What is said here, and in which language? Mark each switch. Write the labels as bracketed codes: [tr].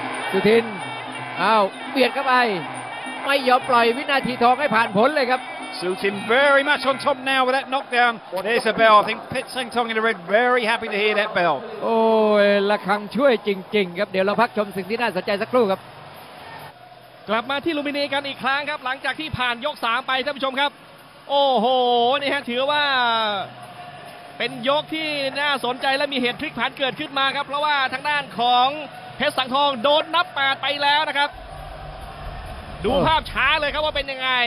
[th] สุทินอ้าวเบียดเข้าไปไม่ยอมปล่อยวินาทีทองให้ผ่านพ้นเลยครับ [en] สุทิน very much on top now with that knockdown there's a bell I think Pit Seng Tong in the red very happy to hear that bell [th] โอ้ยระฆังช่วยจริงๆครับเดี๋ยวเราพักชมสิ่งที่น่าสนใจสักครู่ครับ กลับมาที่ลุมินีกันอีกครั้งครับหลังจากที่ผ่านยก3ไปท่านผู้ชมครับโอ้โหนี่ฮะถือว่าเป็นยกที่น่าสนใจและมีเหตุพลิกผันเกิดขึ้นมาครับเพราะว่าทางด้านของเพชรสังทองโดนนับ8ไปแล้วนะครับดูภาพช้าเลยครับว่าเป็นยังไง